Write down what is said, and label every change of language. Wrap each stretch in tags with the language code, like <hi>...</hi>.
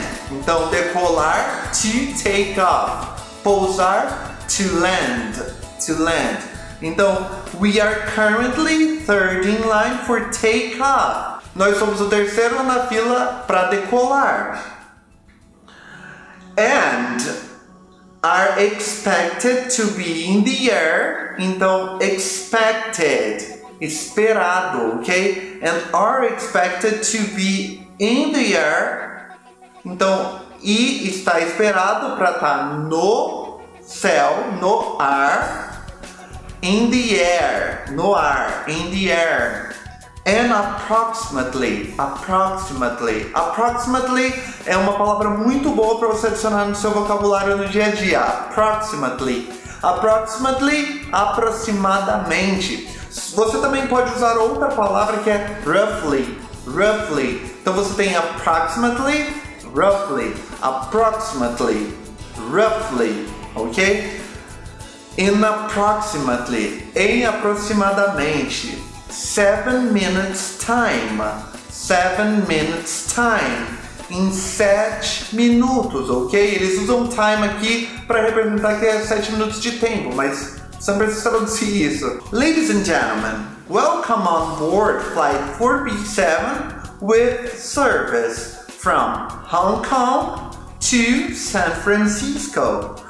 <pt>Então, decolar</pt> <en>to take off,</en> <pt>pousar</pt> <en>to land.</en> <pt>Então,</pt> <en>we are currently third in line for takeoff.</en> <pt>Nós somos o terceiro na fila para decolar.</pt> <en>And are expected to be in the air.</en> <pt>Então, expected, esperado, ok?</pt> <en>And are expected to be in the air.</en> <pt>Então, e está esperado para estar no céu, no ar.</pt> <en>In the air,</en> <pt>no ar,</pt> <en>in the air. And approximately, approximately.</en> <pt>Approximately é uma palavra muito boa para você adicionar no seu vocabulário no dia a dia.</pt> <en>Approximately. Approximately,</en> <pt>aproximadamente. Você também pode usar outra palavra que é roughly, roughly. Então você tem approximately, roughly, approximately, roughly, ok?</pt> <en>In approximately,</en> <pt>em aproximadamente.</pt> <en>7 minutes time, 7 minutes time,</en> <pt>em 7 minutos, ok? Eles usam time aqui para representar que é 7 minutos de tempo, mas você não precisa traduzir isso.</pt> <en>Ladies and gentlemen, welcome on board flight 4B7 with service from Hong Kong to San Francisco.</en>